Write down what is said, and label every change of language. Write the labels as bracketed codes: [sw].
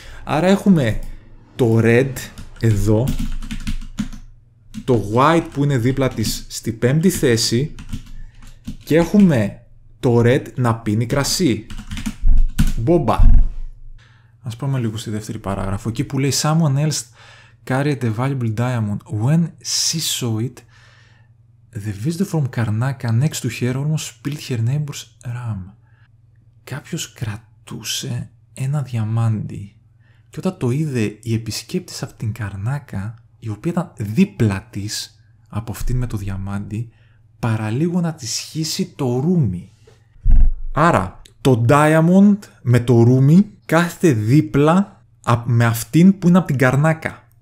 [el] Άρα έχουμε το red εδώ, το white που είναι δίπλα της στη πέμπτη θέση και έχουμε το red να πίνει κρασί. Μπομπα! Ας πάμε λίγο στη δεύτερη παράγραφο. [en] Εκεί που λέει «Someone else carried a valuable diamond. When she saw it, the visitor from Karnaka next to her almost spilled her neighbor's ram». [el] Κάποιος κρατούσε ένα διαμάντι και όταν το είδε η επισκέπτης από την Καρνάκα, η οποία ήταν δίπλα της από αυτήν με το διαμάντι, παραλίγο να της χύσει το ρούμι. Άρα, το diamond με το ρούμι κάθεται δίπλα με αυτήν που είναι από την Καρνάκα.